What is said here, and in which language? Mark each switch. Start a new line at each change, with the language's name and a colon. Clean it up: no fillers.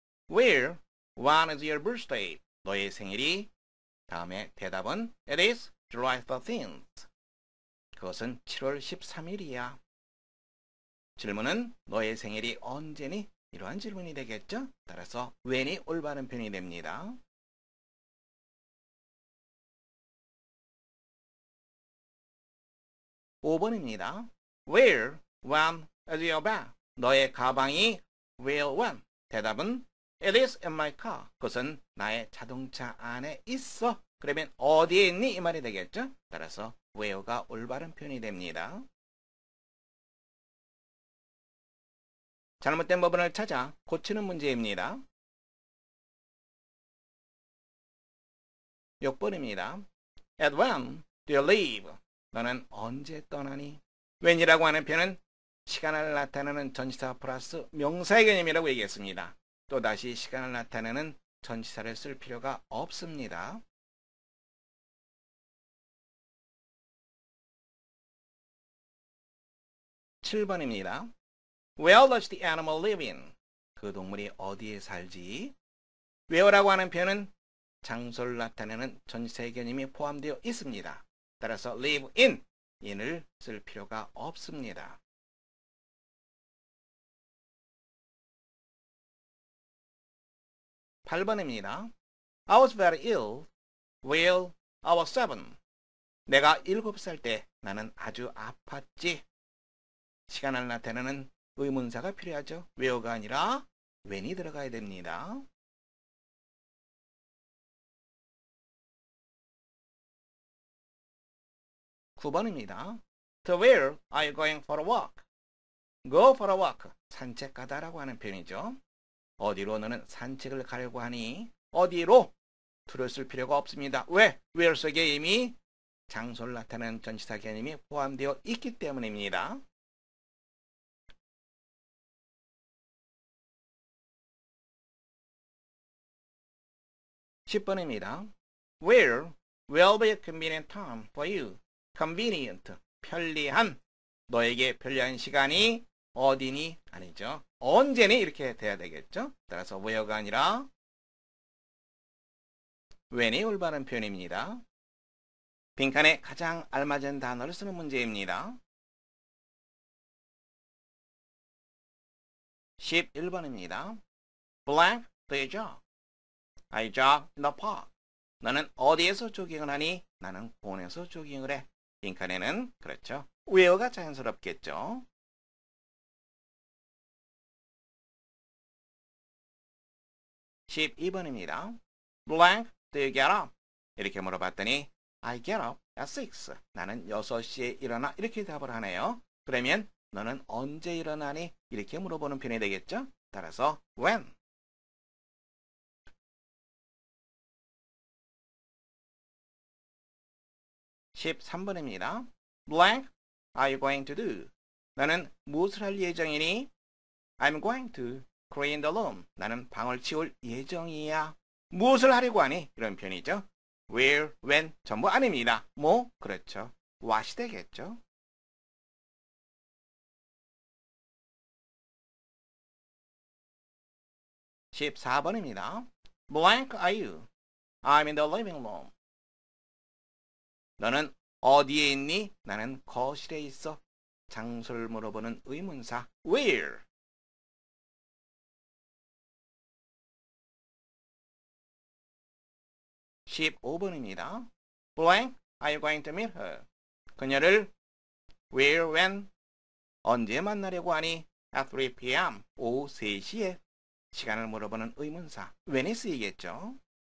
English: Where, when is your birthday?
Korean: 너의 생일이? 다음에 대답은
English: It is July 13th.
Korean: 그것은 7월 13일이야. 질문은 너의 생일이 언제니? 이러한 질문이 되겠죠? 따라서 when이 올바른 표현이 됩니다. 5번입니다.
English: Where, when is your bag?
Korean: 너의 가방이
English: where, when?
Korean: 대답은
English: It is in my car.
Korean: 그것은 나의 자동차 안에 있어. 그러면 어디에 있니? 이 말이 되겠죠? 따라서 where가 올바른 표현이 됩니다. 잘못된 부분을 찾아 고치는 문제입니다. 6번입니다.
English: At when do you leave?
Korean: 너는 언제 떠나니? When이라고 하는 표현은 시간을 나타내는 전치사 플러스 명사의 개념이라고 얘기했습니다. 또다시 시간을 나타내는 전치사를 쓸 필요가 없습니다. 7번입니다.
English: Where does the animal live in?
Korean: 그 동물이 어디에 살지? Where라고 하는 표현은 장소를 나타내는 전치사의 개념이 포함되어 있습니다. 따라서 live in, in을 쓸 필요가 없습니다. 8번입니다.
English: I was very ill while I was 7.
Korean: 내가 7살 때 나는 아주 아팠지. 시간을 나타내는 의문사가 필요하죠. where가 아니라 when이 들어가야 됩니다. 9번입니다.
English: To where are you going for a walk? Go for a walk.
Korean: 산책 가다라고 하는 표현이죠. 어디로 너는 산책을 가려고 하니? 어디로? to를 쓸 필요가 없습니다. 왜? where 속에 이미 장소를 나타내는 전치사 개념이 포함되어 있기 때문입니다. 10번입니다.
English: Where will be a convenient time for you?
Korean: Convenient, 편리한. 너에게 편리한 시간이 어디니? 아니죠. 언제니? 이렇게 돼야 되겠죠. 따라서 where가 아니라 when이 올바른 표현입니다. 빈칸에 가장 알맞은 단어를 쓰는 문제입니다. 11번입니다.
English: Blank the job. I jog in the park.
Korean: 너는 어디에서 조깅을 하니? 나는 공원에서 조깅을 해. 빈칸에는 그렇죠. where가 자연스럽겠죠. 12번입니다.
English: Blank, do you get up?
Korean: 이렇게 물어봤더니
English: I get up at 6.
Korean: 나는 6시에 일어나. 이렇게 답을 하네요. 그러면 너는 언제 일어나니? 이렇게 물어보는 편이 되겠죠. 따라서 when? 13번입니다.
English: Blank, are you going to do?
Korean: 나는 무엇을 할 예정이니?
English: I'm going to clean the room.
Korean: 나는 방을 치울 예정이야. 무엇을 하려고 하니? 이런 표현이죠. Where, when, 전부 아닙니다. 뭐? 그렇죠. What이 되겠죠. 14번입니다.
English: Blank are you? I'm in the living room.
Korean: 너는 어디에 있니? 나는 거실에 있어. 장소를 물어보는 의문사.
English: Where?
Korean: 15번입니다.
English: Blank, are you going to meet her?
Korean: 그녀를
English: where, when,
Korean: 언제 만나려고 하니?
English: At 3 p.m.
Korean: 오후 3시에. 시간을 물어보는 의문사. When is 이겠죠?